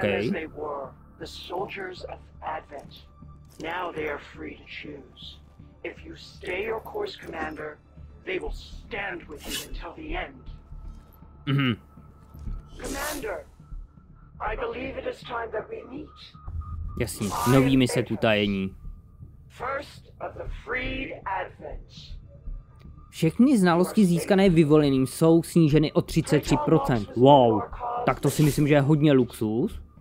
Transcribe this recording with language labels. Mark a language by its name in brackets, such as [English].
[English] Them as they were, the soldiers of Advent. Now they are free to choose. If you stay your course, Commander, they will stand with you until the end. Mm-hmm. Commander, I believe it is time that we meet. [Czech] Jasně, nový mise utajení. [English] First of the freed Advent. [Czech] Všechny znalosti získané vyvoleným jsou sníženy o 33%. Wow, tak to si myslím, že je hodně luxus.